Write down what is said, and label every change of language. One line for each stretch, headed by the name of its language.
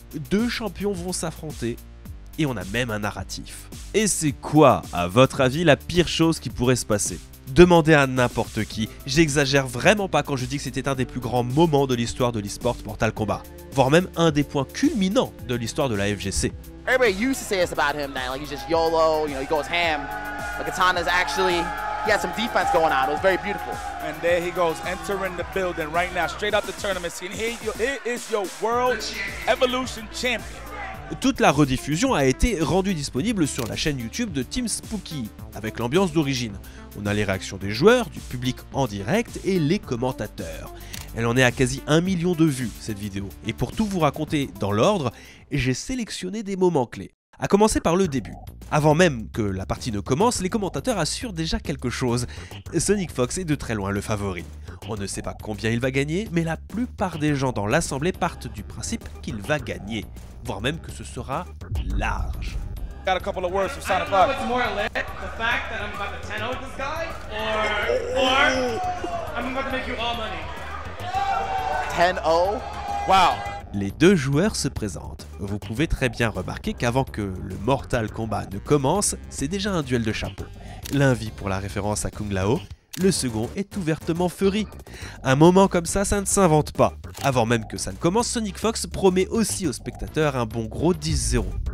French: Deux champions vont s'affronter et on a même un narratif. Et c'est quoi, à votre avis, la pire chose qui pourrait se passer? Demandez à n'importe qui, j'exagère vraiment pas quand je dis que c'était un des plus grands moments de l'histoire de l'esport Mortal Kombat, voire même un des points culminants de l'histoire de la FGC.
English: Everybody used to say this about him, that like he's just YOLO, you know, he goes ham. But Katana's actually, he has some defense going on, it was very beautiful. And there he goes, entering the building right now, straight out the tournament scene. Here is your World Evolution Champion.
French: Toute la rediffusion a été rendue disponible sur la chaîne YouTube de Team Spooky, avec l'ambiance d'origine. On a les réactions des joueurs, du public en direct et les commentateurs. Elle en est à quasi 1 million de vues, cette vidéo. Et pour tout vous raconter dans l'ordre, j'ai sélectionné des moments clés. À commencer par le début. Avant même que la partie ne commence, les commentateurs assurent déjà quelque chose. Sonic Fox est de très loin le favori. On ne sait pas combien il va gagner, mais la plupart des gens dans l'assemblée partent du principe qu'il va gagner. Voire même que ce sera large.
English: Got a couple of words from Sonic Fox. What's more lit, the fact that I'm about to 10-0 this guy, or I'm about to make you all money. 10-0? Wow.
French: Les deux joueurs se présentent. Vous pouvez très bien remarquer qu'avant que le Mortal Kombat ne commence, c'est déjà un duel de chapeau. L'un vit pour la référence à Kung Lao, le second est ouvertement furry. Un moment comme ça, ça ne s'invente pas. Avant même que ça ne commence, Sonic Fox promet aussi aux spectateurs un bon gros 10-0.